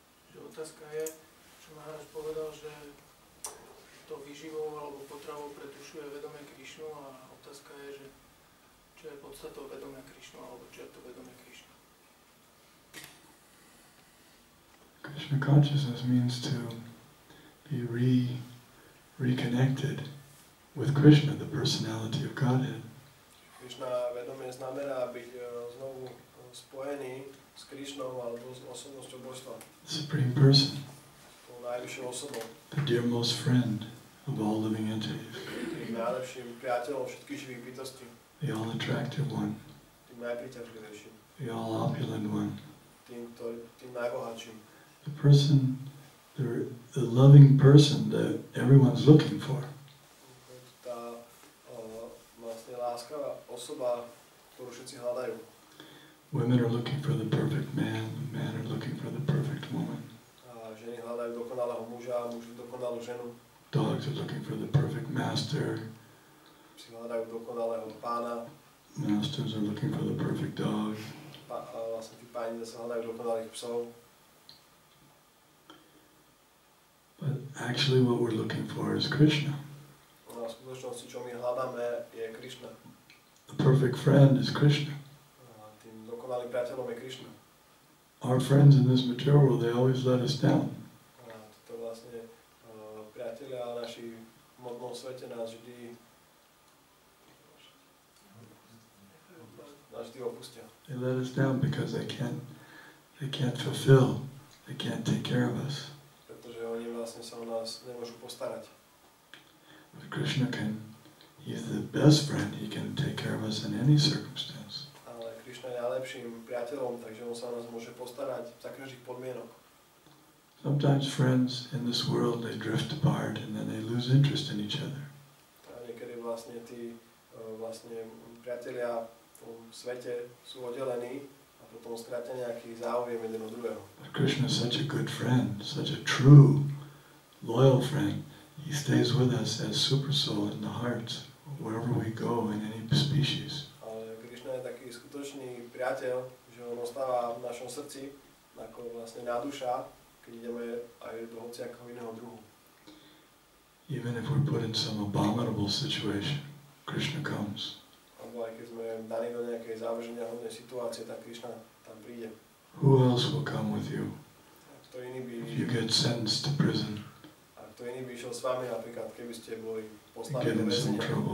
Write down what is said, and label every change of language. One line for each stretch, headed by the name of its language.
Slovak: Že otázka je, čo Maharaj povedal, že to vyživou alebo potravou pre dušu je vedomie Krishnu, a otázka je, že čo je podstatou vedomia Krishnu, alebo čo je to vedomie Krishnu.
English: Krishna consciousness means to be reconnected with Krishna, the personality of Godhead.
Slovak: Krishna vedomie znamená byť znovu spojený s Krishnou alebo s osobnosťou Božstva.
English: Supreme person.
Slovak: Tou najvyššou osobou.
English: The dearmost friend of all living entities.
Slovak: Tým najlepším priateľom všetkých živých bytostí.
English: The all attractive one.
Slovak: Tým najpriťažlivejším.
English: The all opulent one.
Slovak: Tým najbohatším.
English: The person, the loving person that everyone's looking for.
Slovak: Tá vlastne láskavá osoba, ktorú všetci hľadajú.
English: Women are looking for the perfect man, men are looking for the perfect woman.
Slovak: Ženy hľadajú dokonalého muža, muži dokonalú ženu.
English: Dogs are looking for the perfect master.
Slovak: Psi hľadajú dokonalého pána.
English: Masters are looking for the perfect dog.
Slovak: Vlastne tí páni zase hľadajú dokonalých psov.
English: But actually what we're looking for is Krishna.
Slovak: A v skutočnosti, čo my hľadáme, je Krishna.
English: The perfect friend is Krishna.
Slovak: Dokonalým priateľom je Krishna.
English: Our friends in this material world, they always let us down.
Slovak: To vlastne priatelia a naši v modlom svete nás vždy opustia.
English: They let us down because they can't fulfill, they can't take care of us.
Slovak: Pretože oni vlastne sa o nás nemôžu postarať.
English: But Krishna can, he's the best friend, he can take care of us in any circumstance.
Slovak: Krishna je najlepším priateľom, takže on sa o nás môže postarať za každých podmienok.
English: Sometimes friends in this world, they drift apart and then they lose interest in each other.
Slovak: A niekedy vlastne tí vlastne priatelia v svete sú oddelení a potom stratia nejaký záujem jeden od druhého.
English: But Krishna is such a good friend, such a true, loyal friend. He stays with us as super soul in the heart, wherever we go in any species.
Slovak: Skutočný priateľ, že on ostáva v našom srdci ako vlastne na duša, keď ideme aj do hociakého iného druhu.
English: Even if we're put in some abominable situation, Krishna comes.
Slovak: Alebo aj keď sme daní do nejakej závrženia hodnej situácie, tak Krishna tam príde.
English: Who else will come with you?
Slovak: Kto iný by...
English: If you get sentenced to prison.
Slovak: A kto iný by išiel s vami, napríklad, keby ste boli poslaní do väzenia.